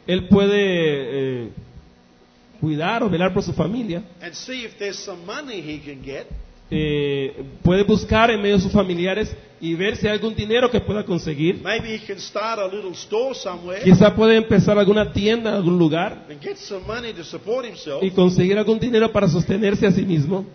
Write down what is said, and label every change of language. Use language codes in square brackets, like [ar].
[es] Él puede cuidar o velar por su familia. [en] And see if there's some money he can get. [es] Puede buscar en medio de sus familiares y ver si hay algún dinero que pueda conseguir. [en] Maybe he can start a little store somewhere. [es] Quizá puede empezar alguna tienda en algún lugar. [en] And get some money to support himself. [es] Y conseguir algún dinero para sostenerse a sí mismo.